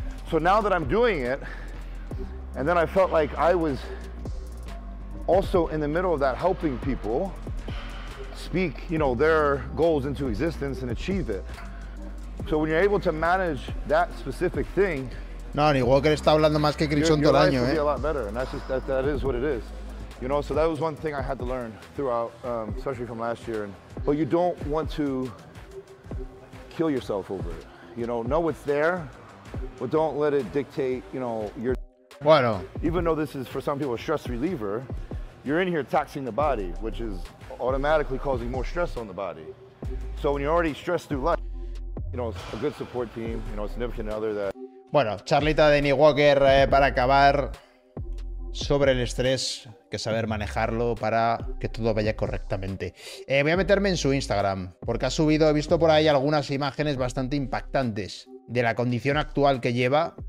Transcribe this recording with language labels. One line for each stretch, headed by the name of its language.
English: So now that I'm doing it, and then I felt like I was also in the middle of that helping people speak, you know, their goals into existence and achieve it. So when you're able to manage that specific thing,
Spanish: no, ni Walker está hablando más que Crichton todo el año,
English: a lot better, and that's just that is what it is. You know, so that was one thing I had to learn throughout, especially from last year. But you don't want to kill yourself over it. You know it's there, but don't let it dictate, you know, your.
Spanish: Bueno.
English: Even though this is for some people a stress reliever, you're in here taxing the body, which is automatically causing more stress on the body. So when you're already stressed through life, you know, a good support team, you know, a significant other that.
Spanish: Bueno, charlita de Neil Walker para acabar sobre el estrés, que saber manejarlo para que todo vaya correctamente. Voy a meterme en su Instagram, porque ha subido, he visto por ahí algunas imágenes bastante impactantes de la condición actual que lleva.